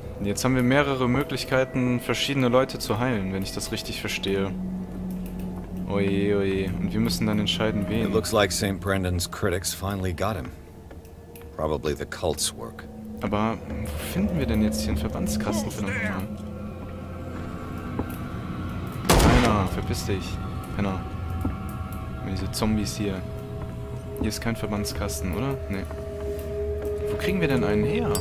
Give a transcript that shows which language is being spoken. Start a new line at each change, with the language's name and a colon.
German: Jetzt haben wir mehrere Möglichkeiten, verschiedene Leute zu heilen, wenn ich das richtig verstehe. Oje, oje. Und wir müssen dann entscheiden, wen.
English: It looks like St. Brendan's critics finally got him. Probably the cult's work.
German: Aber wo finden wir denn jetzt hier einen Verbandskasten für den Mann? Penner, verpiss dich. Penner. Diese Zombies hier. Hier ist kein Verbandskasten, oder? Nee. Wo kriegen wir denn einen her?